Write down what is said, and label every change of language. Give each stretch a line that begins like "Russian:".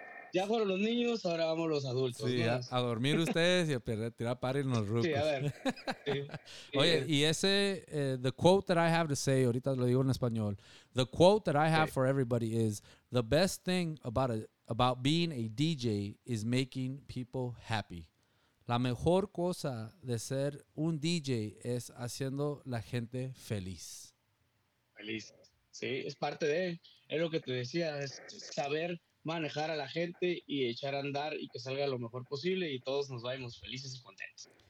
Spanish: Ya fueron los niños, ahora vamos los adultos. Sí, a dormir ustedes y a tirar party en los rucos. Sí, a ver. Sí. Oye, y ese,
English: the quote that I have to say,
Spanish: ahorita lo digo en español,
English: the quote that I have for everybody is, the best thing about being a DJ is making people happy.
Spanish: La mejor cosa de ser un DJ es haciendo la gente feliz. Feliz, sí, es parte de, es lo que te decía, es saber manejar a la gente y echar a andar y que salga lo mejor posible y todos nos vayamos felices y contentos.